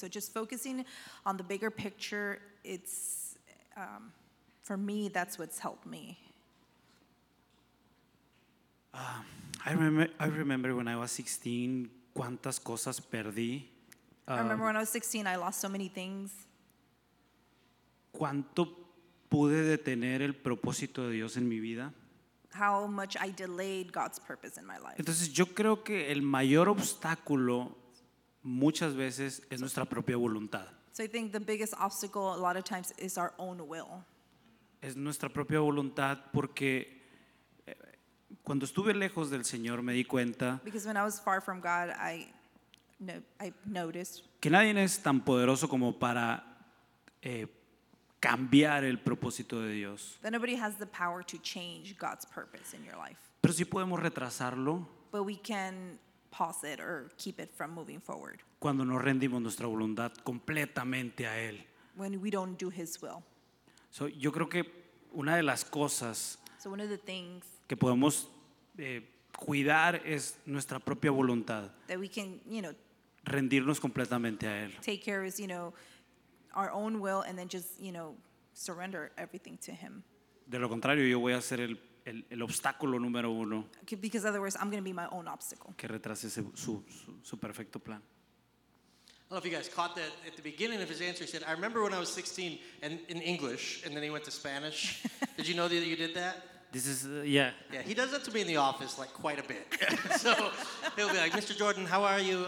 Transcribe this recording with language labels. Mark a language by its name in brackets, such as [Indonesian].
[English] So just focusing on the bigger picture, it's, for me, that's what's helped me. I remember when I was 16, [Spanish] cuántas cosas perdí. [English] I remember when I was 16, I lost so many things. [Spanish] ¿Cuánto pude detener el propósito de Dios en mi vida? [English] How much I delayed God's purpose in my life. [Spanish] Entonces, yo creo que el mayor obstáculo muchas veces es nuestra propia voluntad. [English] So I think the biggest obstacle a lot of times is our own will. [Spanish] Es nuestra propia voluntad, porque cuando estuve lejos del Señor me di cuenta. [English] Because when I was far from God, I noticed [Spanish] que nadie es tan poderoso como para cambiar el propósito de Dios. [English] That nobody has the power to change God's purpose in your life. [Spanish] Pero sí podemos retrasarlo. [English] But we can pause it or keep it from moving forward. [Spanish] Cuando no rendimos nuestra voluntad completamente a Él. [English] When we don't do His will. [Spanish] So, yo creo que una de las cosas [English] one of the things [Spanish] que podemos cuidar es nuestra propia voluntad. [English] That we can, you know, [Spanish] rendirnos completamente a Él. [English] Take care of His, you know, our own will, and then just, you know, surrender everything to Him. [Spanish] De lo contrario, yo voy a ser el obstáculo número uno. [English] Because in other words, I'm going to be my own obstacle. [Spanish] Que retrase su perfecto plan. [English] I don't know if you guys caught that at the beginning of his answer. He said, "I remember when I was 16," and in English, and then he went to Spanish. Did you know that you did that? This is yeah. Yeah, he does that to me in the office like quite a bit. So he'll be like, "Mr. Jordan, how are you?